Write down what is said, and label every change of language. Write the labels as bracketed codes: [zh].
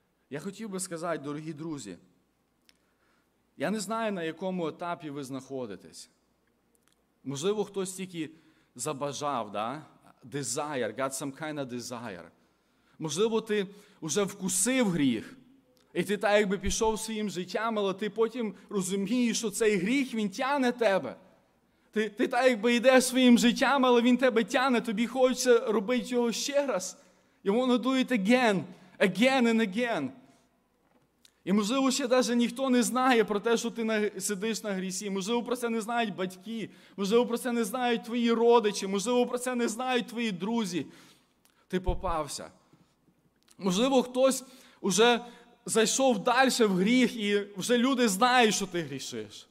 [uk] Я хотів би сказати, дорогі друзі, я не знаю, на якому етапі ви знаходитесь. Можливо, хтось тільки забажав, да? [en] Desire, got some kind of desire. [uk] Можливо, ти вже вкусив гріх, і ти так якби пішов своїм життям, але ти потім розумієш, що цей гріх, він тяне тебе. Ти так якби йдеш своїм життям, але він тебе тяне, тобі хочеться робити його ще раз. І воно дует [en] again, again and again. [uk] І, можливо, ще навіть ніхто не знає про те, що ти сидиш на грісі. Можливо, про це не знають батьки. Можливо, про це не знають твої родичі. Можливо, про це не знають твої друзі. Ти попався. Можливо, хтось уже зайшов далі в гріх, і вже люди знають, що ти грішиш.